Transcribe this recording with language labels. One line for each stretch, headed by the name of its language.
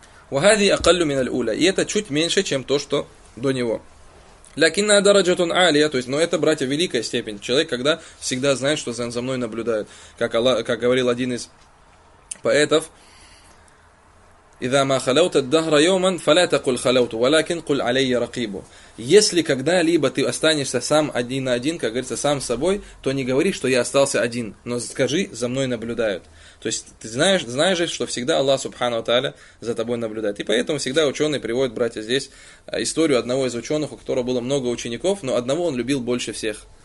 Arabic: وهذه أقل من الأولى.
Russian: И это чуть меньше, чем то, что до него.
Arabic: لكن درجة عالية.
Russian: То есть, но это, братья, великая степень. Человек, когда всегда знает, что за мной наблюдают. Как говорил один из поэтов.
Arabic: إذا ما خلوت الدهر يوما فلا تقل خلوت ولكن قل علي رقيب.
Russian: Если когда-либо ты останешься сам один на один, как говорится, сам с собой, то не говори, что я остался один, но скажи, за мной наблюдают. То есть ты знаешь же, что всегда Аллах Субхану Тааля за тобой наблюдает. И поэтому всегда ученые приводят, братья, здесь историю одного из ученых, у которого было много учеников, но одного он любил больше всех.